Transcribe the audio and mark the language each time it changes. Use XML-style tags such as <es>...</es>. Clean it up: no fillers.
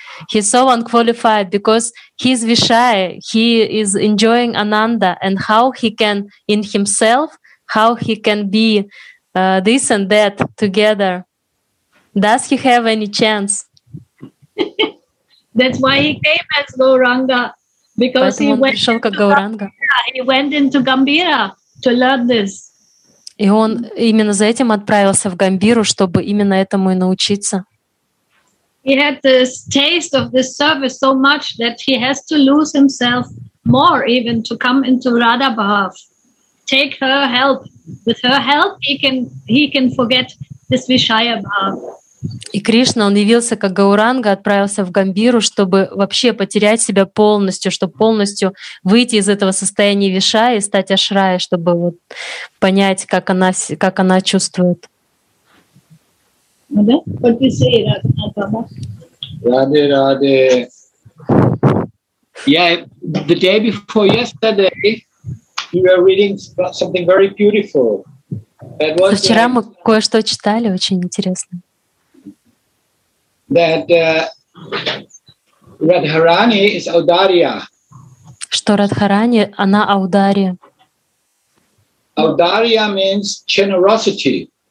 <en>He's so unqualified because he's Vishaya, he is enjoying Ananda, and how he can in himself, how he can be this and that together. Does he have any chance? That's why he came as Gauranga, because he went into Gambira to learn this.</en> <ru>И он именно за этим отправился в Гамбиру, чтобы именно этому и научиться.</ru> <en>He had this taste of this service so much that he has to lose himself more even to come into Radha Bhav. Take her help. With her help he can forget this Vishaya Bhav.</en> <ru>И Кришна, он явился как Гауранга, отправился в Гамбиру, чтобы вообще потерять себя полностью, чтобы полностью выйти из этого состояния Вишая и стать Ашрая, чтобы вот понять, как она чувствует.</ru> <sa>Radhe, Radhe.</sa> <en>Yeah, the day before yesterday, you were reading something very beautiful.</en> <ru>Вчера мы кое-что читали, очень интересно.</ru> <en>that Radharani is Audarya.</en> <ru>Что Радхарани, она Аударья.</ru> <en>Audarya means generosity.</en>